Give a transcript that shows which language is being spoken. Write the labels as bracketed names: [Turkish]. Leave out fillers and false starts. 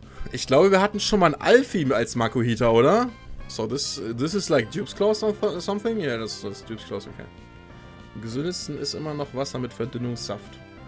[German] Ich glaube, wir hatten schon mal einen Alfie als Makuhita, oder? [English] So, this is like Dupe's Claws or something? Yeah, that's Dupe's Claws, okay. [German] Am gesündesten ist immer noch Wasser mit Verdünnungssaft.